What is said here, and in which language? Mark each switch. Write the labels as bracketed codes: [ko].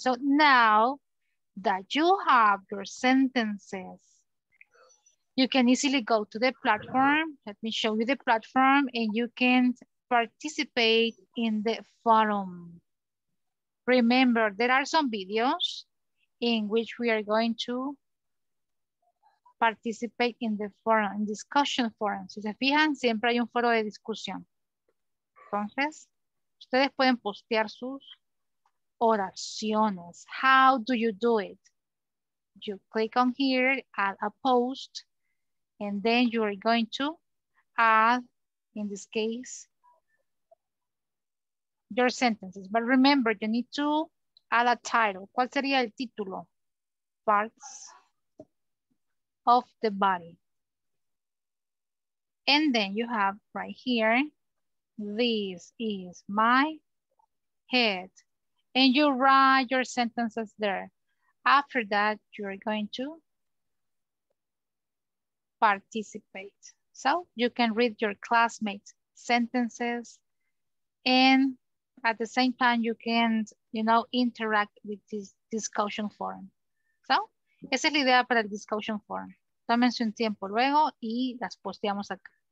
[en] So now that you have your sentences, you can easily go to the platform. Let me show you the platform and you can participate in the forum. Remember, there are some videos in which we are going to participate in the forum, in discussion forum. [es] Si se fijan, siempre hay un foro de discusión. Entonces, ustedes pueden postear sus oraciones. [en] How do you do it? You click on here, add a post, and then you are going to add, in this case, your sentences. But remember, you need to add a title. [es] ¿Cuál sería el título? [en] Parts of the body. And then you have right here, this is my head. And you write your sentences there. After that, you're going to participate. So you can read your classmates' sentences. And at the same time, you can, you know, interact with this discussion forum. [es] So, esa es la idea para el discussion forum. Tómense un tiempo luego y las posteamos acá.